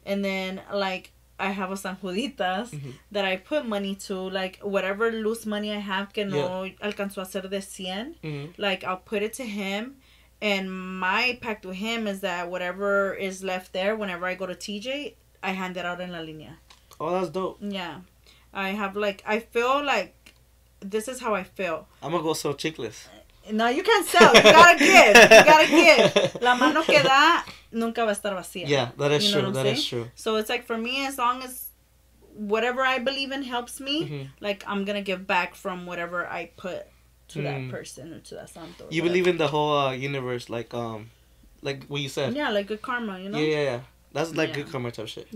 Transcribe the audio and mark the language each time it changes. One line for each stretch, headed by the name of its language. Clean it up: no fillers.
English: And then, like, I have a San Juditas that I put money to, like, whatever loose money I have
Spanish: que no alcanzó a ser de 100,
English: like, I'll put it to him, And my pact with him is that whatever is left there, whenever I go to TJ, I hand it out in La Linea. Oh, that's dope. Yeah. I have, like, I feel like this is how I feel. I'm going to go sell chicles. No, you can't sell. You got to give. You got to give.
Spanish: La mano que da nunca va a estar vacía.
English: Yeah, that is true. That is true. So it's like, for me, as long as whatever I believe in helps me, like, I'm going to give back from whatever I put to that person or to that santo. You believe in the whole universe, like what you said. Yeah, like good karma, you know? Yeah, yeah, yeah. That's like good karma type shit.